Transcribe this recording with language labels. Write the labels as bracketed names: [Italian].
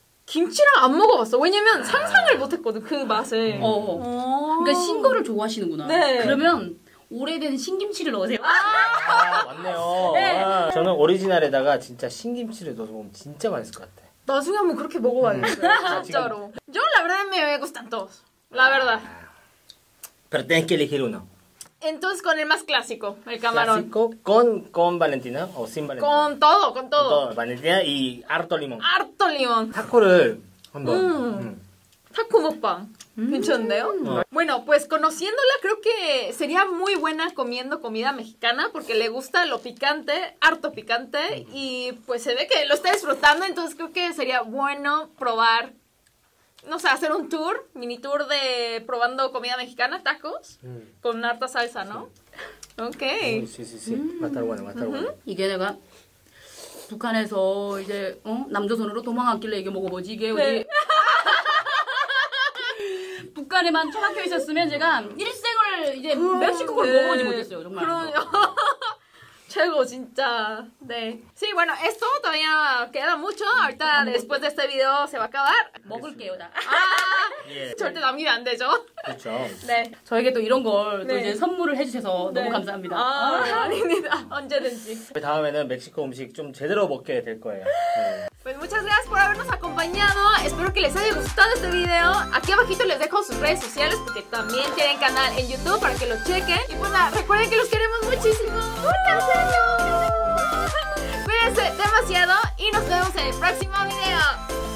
[Korean] 김치랑 안 먹어봤어. 왜냐면 상상을 못했거든, 그 맛을. 그러니까 신 거를 좋아하시는구나. 네. 그러면 오래된 신김치를 넣으세요. 아, 맞네요. 네. 저는 오리지널에다가 진짜 신김치를 넣어서 먹으면 진짜 맛있을 것 같아. 나중에 한번 그렇게 먹어봐야겠어요. 진짜로. [Spanish] Yo la verdad me gustan todos. La verdad. Pero tienes que elegir uno. Entonces con el más clásico, el camarón. ¿Clásico? ¿Con Valentina o sin Valentina? Con todo, con todo. Con todo. Valentina y harto limón. Harto limón. [Korean] Taco를 한번. Taco mukbang. 괜찮은데요? [Spanish] Bueno, pues conociéndola creo que sería muy buena comiendo comida mexicana porque le gusta lo picante, harto picante y pues se ve que lo está disfrutando, entonces creo que sería bueno probar, no sé, hacer un tour, mini tour de probando comida mexicana, tacos, con harta salsa, ¿no? [English] Ok. [Spanish] Sí, sí, sí, va a estar bueno, va a estar bueno. ¿Y qué le va? [Korean] 북한에서 이제 어? 남조선으로 도망갔길래 이게 먹어보지, 이게 우리... 북한에만 처박혀 있었으면 제가 일생을 이제 멕시코를 네. 먹어보지 못했어요 정말. 그럼요. 최고 진짜. 네. [Spanish] Sí, bueno, esto todavía queda mucho. Ahorita después de este video se va a acabar. [Korean] 먹을게요 다. 아, 예. 절대 남기면 안 되죠. 그렇죠. 네. 저에게 또 이런 걸 또 네. 이제 선물을 해주셔서 네. 너무 감사합니다. 아, 아닙니다. 언제든지. 다음에는 멕시코 음식 좀 제대로 먹게 될 거예요. 네. [Spanish] Pues muchas gracias por habernos acompañado. Espero que les haya gustado este video. Aquí abajito les dejo sus redes sociales porque también tienen canal en YouTube para que lo chequen. Y pues nada, recuerden que los queremos muchísimo. ¡Muchas gracias! Cuídense demasiado y nos vemos en el próximo video.